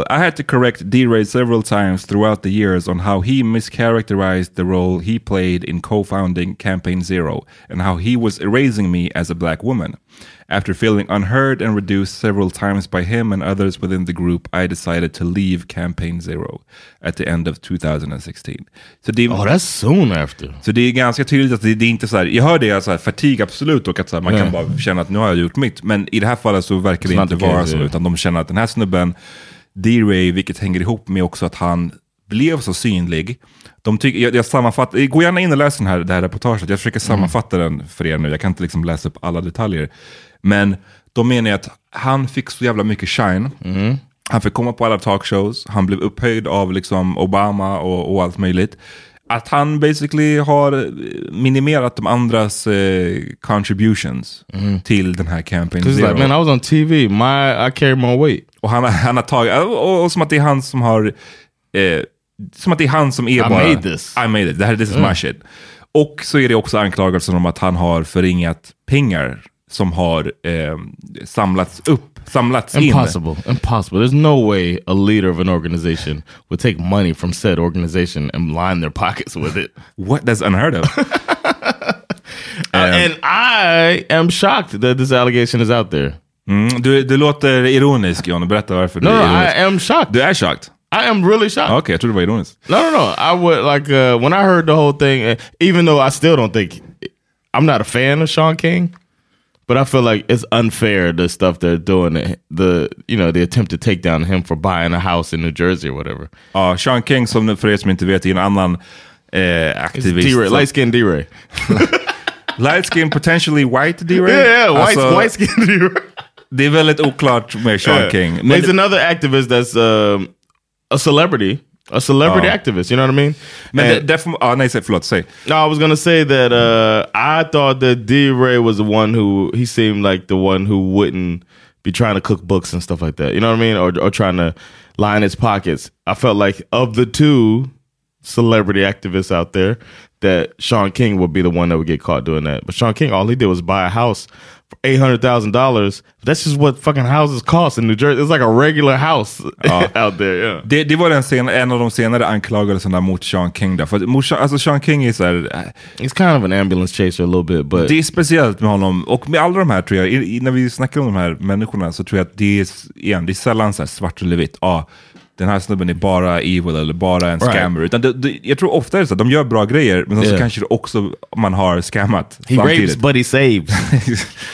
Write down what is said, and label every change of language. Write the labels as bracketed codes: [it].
[en] I had to correct D-Ray several times throughout the years on how he mischaracterized the role he played in co-founding Campaign Zero and how he was erasing me as a black woman. After feeling unheard and reduced several times by him and others within the group, I decided to leave Campaign Zero at the end of 2016. [sv] Så det är, [en] oh, that's soon after. [sv] Så det är ganska tydligt att det är inte så här, jag hör det är så här fatig absolut och att så här, man kan bara känna att nu har jag gjort mitt. Men i det här fallet så verkar det inte vara så, utan de känner att den här snubben, D-Ray, vilket hänger ihop med också att han blev så synlig. De tycker, jag sammanfattar, gå gärna in och läs det här reportaget. Jag försöker sammanfatta den för er nu. Jag kan inte liksom läsa upp alla detaljer. Men de menar att han fick så jävla mycket shine. Mm. Han fick komma på alla talkshows. Han blev upphöjd av liksom Obama och allt möjligt. Att han basically har minimerat de andras contributions till den här Campaign Zero. [en] Like, man, I was on TV. I carried my weight. [sv] Och han har tagit, och som att det är han som har... som att det är han som är I bara... [en] I made this. This is my shit. [sv] Och så är det också anklagelsen om att han har förringat pengar som har samlats in. [en] Impossible. There's no way a leader of an organization would take money from said organization and line their pockets with it. What? That's unheard of. And I am shocked that this allegation is out there. [sv] Du låter ironisk, John. Berätta varför [en] no, [sv] du är ironisk. [en] No, I am shocked. [sv] Du är shocked. [en] I am really shocked. Okay, I thought you were doing this. No. I would, like, when I heard the whole thing, even though I still don't think, I'm not a fan of Sean King, but I feel like it's unfair, the stuff they're doing, the attempt to take down him for buying a house in New Jersey or whatever. [sv] Sean King, som för er som inte vet, är en annan aktivist. [en] It's D-Ray, light-skinned D-Ray. Light-skinned, potentially white D-Ray? Yeah, white-skinned D-Ray. [sv] Det är väldigt oklart med Sean King. Men [en] he's another activist that's... A celebrity activist, you know what I mean? Men say. No, I was going to say that I thought that D-Ray was the one who, he seemed like the one who wouldn't be trying to cook books and stuff like that, you know what I mean? Or trying to line his pockets. I felt like of the two celebrity activists out there, that Sean King would be the one that would get caught doing that. But Sean King, all he did was buy a house for $800,000. That's just what fucking houses cost in New Jersey. It's like a regular house out there. Yeah. [sv] Det var den en av de senare anklagelserna mot Sean King där. För Sean King är så här, [en] he's kind of an ambulance chaser a little bit, but [sv] det är speciellt med honom och med alla de här, tror jag, när vi snackar om de här människorna, så tror jag att det är igen, det är sällan så här svart eller vitt. Ja. Den här snubben är bara evil eller bara en scammer. [en] Right. [sv] Jag tror ofta är det så att de gör bra grejer, men så kanske det också man har scammat. [en] He rapes, but he saves.